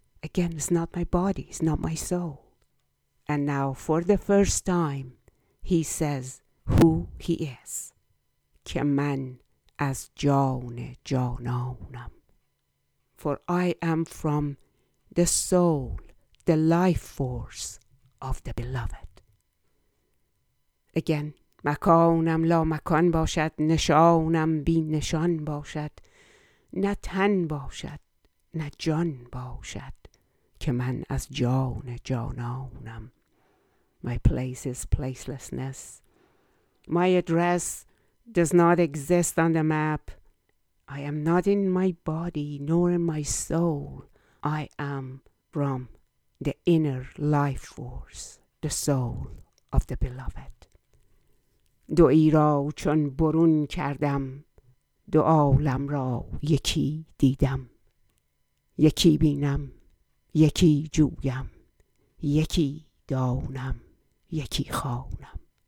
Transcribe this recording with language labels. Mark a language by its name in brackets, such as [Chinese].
[English] Again, it's not my body, it's not my soul. And now, for the first time, he says who he is. [Persian] Ke man as jan jananam. [English] For I am from the soul, the life force of the beloved. Again, [Persian] مکانم لا مکان باشد، نشانم بی نشان باشد، نه تن باشد، نه جان باشد، که من از جان جانانم. [English] My place is placelessness. My address does not exist on the map. I am not in my body nor in my soul. I am from the inner life force, the soul of the beloved. [Persian] دو ای را چون برون کردم، دو عالم را یکی دیدم. یکی بینم، یکی جویم، یکی دانم، یکی خوانم.